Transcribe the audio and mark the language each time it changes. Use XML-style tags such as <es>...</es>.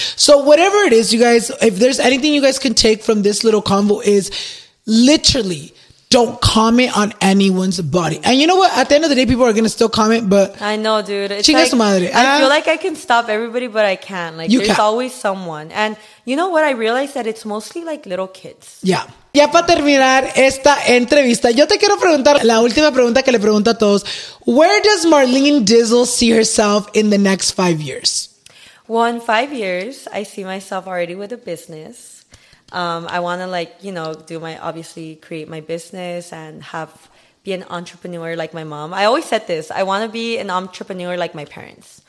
<en>So whatever it is, you guys, if there's anything you guys can take from this little convo is literally, don't comment on anyone's body. And you know what? At the end of the day, people are going to still comment, but... I know, dude.</en> <es>It's chinga su madre.</es> <en>I feel like I can stop everybody, but I can't. Like, you there's can. Always someone. And you know what? I realized that it's mostly like little kids. Yeah.</en> <es>Ya para terminar esta entrevista, yo te quiero preguntar la última pregunta que le pregunto a todos.</es> <en>Where does Marlenedizzle see herself in the next 5 years? Well, in 5 years, I see myself already with a business. I want to, like, you know, do my, obviously, create my business and have, be an entrepreneur like my mom. I always said this. I want to be an entrepreneur like my parents.</en>